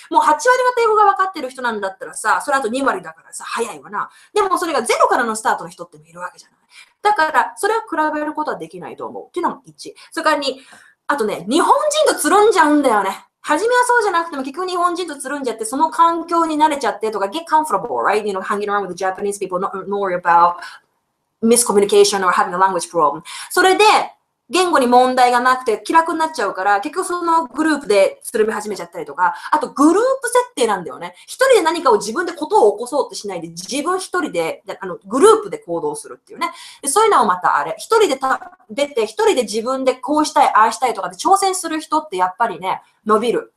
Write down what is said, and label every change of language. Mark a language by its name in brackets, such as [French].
[Japanese] もう8割方英語が分かってる人なんだったらさ、それあと2割だからさ、早いわな。でもそれがゼロからのスタートの人ってもいるわけじゃない。だからそれは比べることはできないと思うっていうのも1、それから2、あとね、日本人とつるんじゃうんだよね。初めはそうじゃなくても結局日本人とつるんじゃって、その環境に慣れちゃってとか、 [English] get comfortable, right? You know, hanging around with the Japanese people, not worry about miscommunication or having a language problem. [Japanese] それで言語に問題がなくて気楽になっちゃうから、結局そのグループでつるみ始めちゃったりとか、あとグループ設定なんだよね。一人で何かを自分でことを起こそうってしないで、自分一人で、あの、グループで行動するっていうね。で、そういうのをまたあれ、一人で出て、一人で自分でこうしたい、ああしたいとかで挑戦する人ってやっぱりね、伸びる。